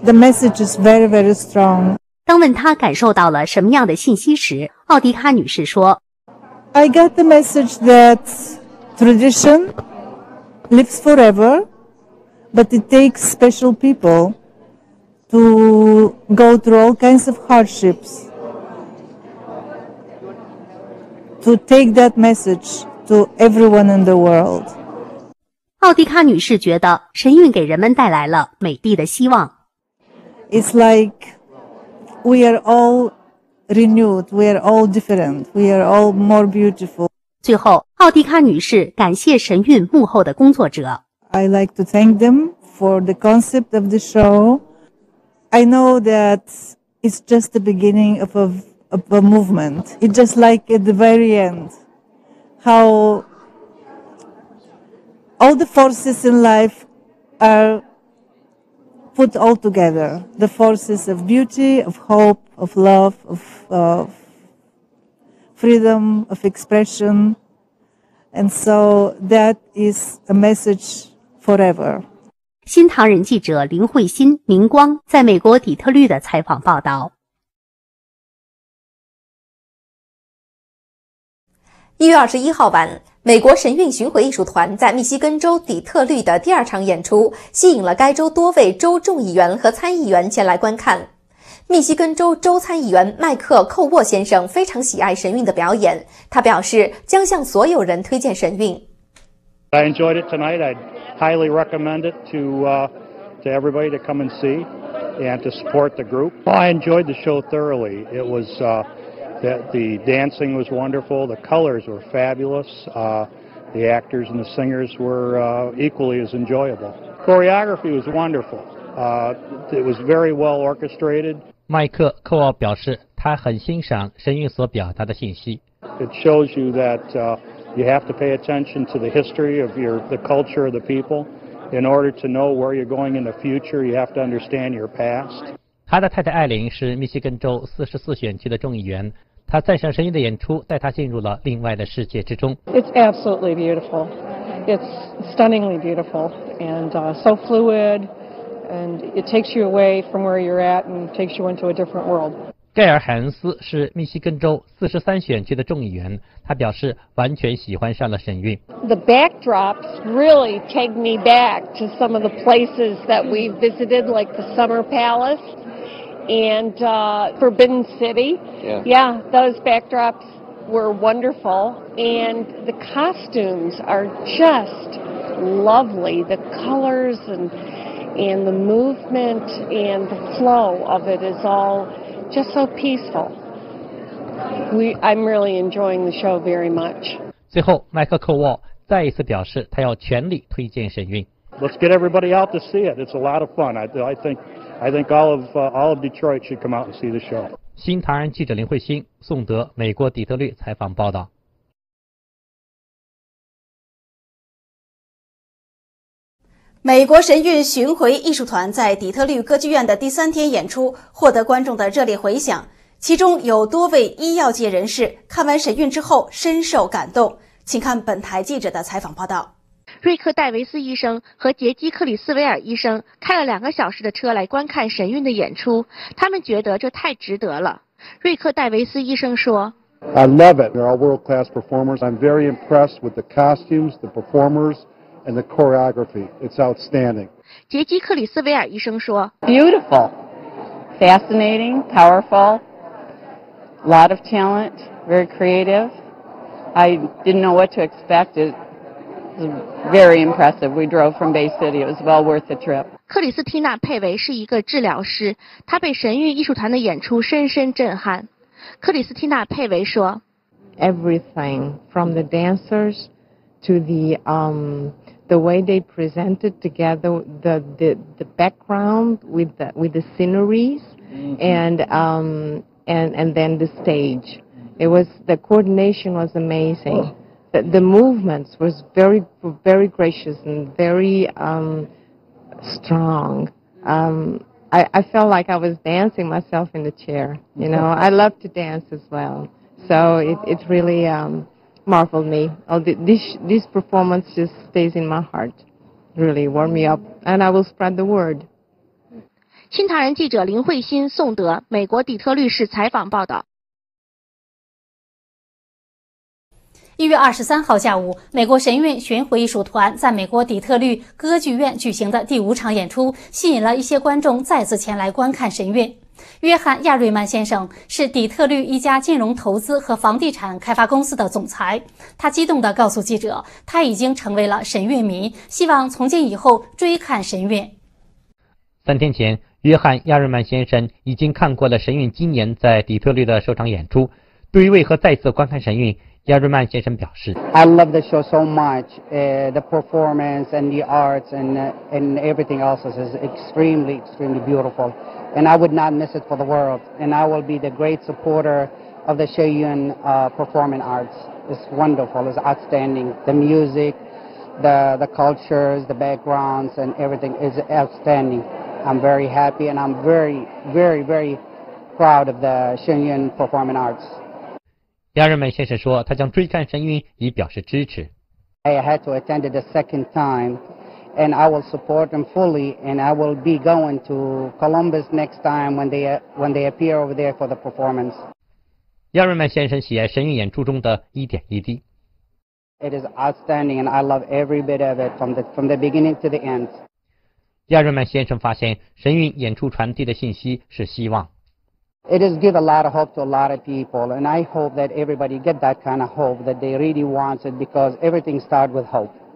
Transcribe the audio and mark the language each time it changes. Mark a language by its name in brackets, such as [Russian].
[English] The message is very, very strong. [Chinese] 当问他感受到了什么样的信息时，奥迪卡女士说 [English] ：“I got the message that tradition.” Lives forever, but it takes special people to go through all kinds of hardships to take that message to everyone in the world. [Chinese] 奥迪卡女士觉得神韵给人们带来了美丽的希望。 [English] It's like we are all renewed, we are all different, we are all more beautiful. [Chinese] 最后，奥迪卡女士感谢神韵幕后的工作者。 [English] I like to thank them for the concept of the show. I know that it's just the beginning of a movement. It's just like at the very end, how all the forces in life are put all together. The forces of beauty, of hope, of love, of freedom, of expression. And so that is a message forever. [Chinese] 新唐人记者林慧欣、明光在美国底特律的采访报道。 1月21号晚，美国神韵巡回艺术团在密西根州底特律的第二场演出吸引了该州多位州众议员和参议员前来观看。密西根州州参议员麦克·寇沃先生非常喜爱神韵的表演，他表示将向所有人推荐神韵。 [English] I enjoyed it tonight. I highly recommend it to everybody to come and see and to support the group. I enjoyed the show thoroughly. It was that the dancing was wonderful, the colors were fabulous, the actors and the singers were equally as enjoyable. Choreography was wonderful. It was very well orchestrated. [Chinese] 麦克·寇沃表示，他很欣赏神韵所表达的信息。 [English] It shows you that you have to pay attention to the history of the culture of the people in order to know where you're going in the future. You have to understand your past. [Chinese] 他的太太艾琳是密西根州44选区的众议员。他赞赏神韵的演出，带他进入了另外的世界之中。 [English] It's absolutely beautiful. It's stunningly beautiful and so fluid. And it takes you away from where you're at and takes you into a different world. [Chinese] 盖尔·海恩斯是密西根州43选区的众议员，他表示完全喜欢上了神韵。 [English] The backdrops really take me back to some of the places that we visited, like the Summer Palace and Forbidden City. Yeah, those backdrops were wonderful. And the costumes are just lovely. The colors and the movement and the flow of it is all just so peaceful. I'm really enjoying the show very much. [Chinese] 最后，麦克·寇沃再一次表示，他要全力推荐神韵。 [English] Let's get everybody out to see it. It's a lot of fun. I think all of Detroit should come out and see the show. [Chinese] 新唐人记者林慧欣、宋德，美国底特律采访报道。美国神韵巡回艺术团在底特律歌剧院的第三天演出获得观众的热烈回响，其中有多位医药界人士看完神韵之后深受感动，请看本台记者的采访报道。瑞克·戴维斯医生和杰基·克里斯维尔医生开了两个小时的车来观看神韵的演出，他们觉得这太值得了。瑞克·戴维斯医生说 [English] ：“I love it. They're all world-class performers. I'm very impressed with the costumes, the performers.” And the choreography, it's outstanding. [Chinese] 杰基·克里斯维尔医生说 [English] Beautiful, fascinating, powerful, lot of talent, very creative. I didn't know what to expect. It was very impressive. We drove from Bay City. It was well worth the trip. [Chinese] 克里斯蒂娜·佩维是一个治疗师，她被神韵艺术团的演出深深震撼。克里斯蒂娜·佩维说 [English] Everything from the dancers to the way they presented together the background with the sceneries, mm-hmm. and then the stage. It was, the coordination was amazing. Oh. The movements was very, very gracious and very strong. I felt like I was dancing myself in the chair. You know, I love to dance as well. So it really marveled me. Oh, this performance just stays in my heart, really warm me up, and I will spread the word. [Chinese] 新唐人记者林慧欣、宋德，美国底特律市采访报道。 1月23号下午，美国神韵巡回艺术团在美国底特律歌剧院举行的第五场演出，吸引了一些观众再次前来观看神韵。约翰·亚瑞曼先生是底特律一家金融投资和房地产开发公司的总裁，他激动地告诉记者，他已经成为了神韵迷，希望从今以后追看神韵。三天前，约翰·亚瑞曼先生已经看过了神韵今年在底特律的首场演出。对于为何再次观看神韵，亚瑞曼先生表示 [English] ：“I love the show so much. The performance and the arts and everything else is extremely, extremely beautiful. And I would not miss it for the world. And I will be the great supporter of the Shaiyun performing arts. It's wonderful. It's outstanding. The music, the cultures, the backgrounds, and everything is outstanding. I'm very happy and I'm very, very, very proud of the Shaiyun performing arts.” [Chinese] 亚人们先生说，他将追看神韵以表示支持。 [English] I had to attend it a second time, and I will support them fully, and I will be going to Columbus next time when they appear over there for the performance. [Chinese] 亚人们先生喜爱神韵演出中的一点一滴。 [English] It is outstanding, and I love every bit of it from the beginning to the end. [Chinese] 亚人们先生发现，神韵演出传递的信息是希望。 [English] It has given a lot of hope to a lot of people, and I hope that everybody get that kind of hope that they really want it, because everything starts with hope.